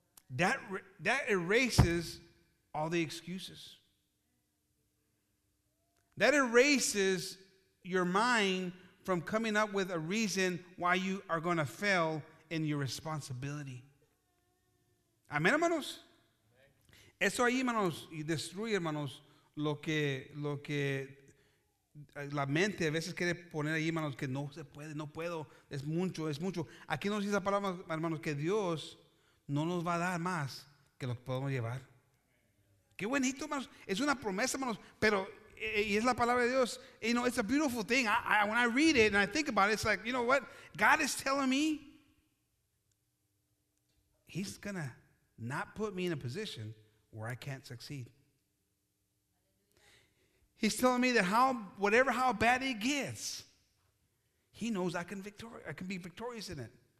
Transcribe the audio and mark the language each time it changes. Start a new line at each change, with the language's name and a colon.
English: That erases all the excuses. That erases your mind from coming up with a reason why you are going to fail in your responsibility.
Spanish: Amén, hermanos. Eso ahí, hermanos, y destruye, hermanos, lo que la mente a veces quiere poner ahí, hermanos, que no se puede, no puedo, es mucho. Aquí nos dice la palabra, hermanos, que Dios no nos va a dar más que lo que podemos llevar. Qué bonito, hermanos. Es una promesa, hermanos, pero y es la palabra de Dios.
English: You know, it's a beautiful thing. I when I read it and I think about it, it's like, you know what? God is telling me He's going to not put me in a position where I can't succeed. He's telling me that how bad it gets, he knows I can be victorious in it.